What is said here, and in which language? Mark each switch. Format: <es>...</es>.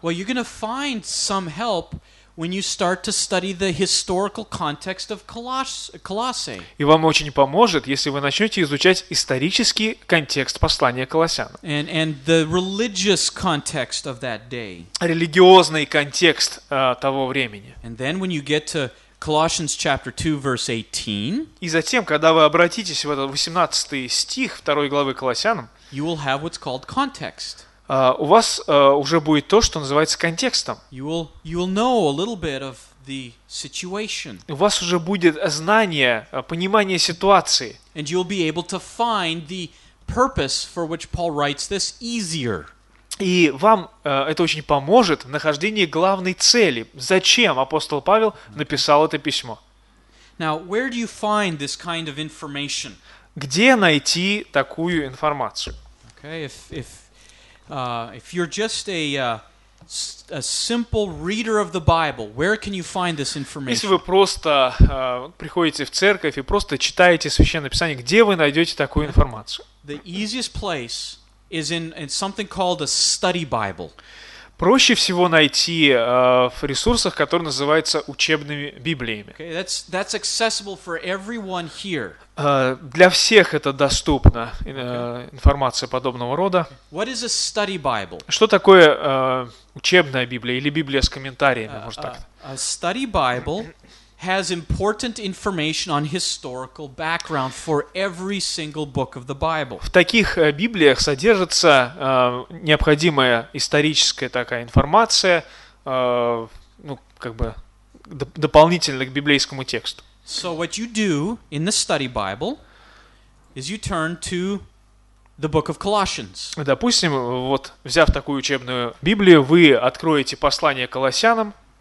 <en>Well, you're going to find some help when you start to study the historical context of Colossae.</en> <ru>И вам очень поможет, если вы начнете изучать исторический контекст послания Колоссянам.</ru> <en>And the religious context of that day.</en> <ru>Религиозный контекст того времени.</ru> <en>And then when you get to Colossians chapter 2 verse 18.</en> <ru>И затем, когда вы обратитесь в этот 18 стих второй главы Колоссянам,</ru> <en>you will have what's called context.</en> <ru>У вас уже будет то, что называется контекстом.</ru> <en>You will know a little bit of the situation.</en> <ru>У вас уже будет знание, понимание ситуации.</ru> <en>And you'll be able to find the purpose for which Paul writes this easier.</en> <ru>И вам это очень поможет в нахождении главной цели, зачем апостол Павел написал это письмо.</ru> <en>Now, where do you find this kind of information?</en> <ru>Где найти такую информацию?</ru> <en>Okay, if you're just a simple reader of the Bible, where can you find this information?</en> <ru>Если вы просто приходите в церковь и просто читаете Священное Писание, где вы найдете такую информацию?</ru> <en>The easiest place is in something called a study Bible.</en> <ru>Проще всего найти в ресурсах, которые называются учебными библиями.</ru> <en>Okay, that's accessible for everyone here.</en> <ru>Для всех это доступно, информация подобного рода.</ru> <en>What is a study Bible?</en> <ru>Что такое учебная Библия или Библия с комментариями, может так?</ru> <en>A study Bible has important information on historical background for every single book of the Bible.</en> <ru>В таких Библиях содержится необходимая историческая такая информация ну, как бы дополнительно к библейскому тексту.</ru> <en>So what you do in the study Bible is you turn to the book of Colossians.</en> <ru>Допустим, вот взяв такую учебную Библию, вы откроете послание Колоссянам.</ru>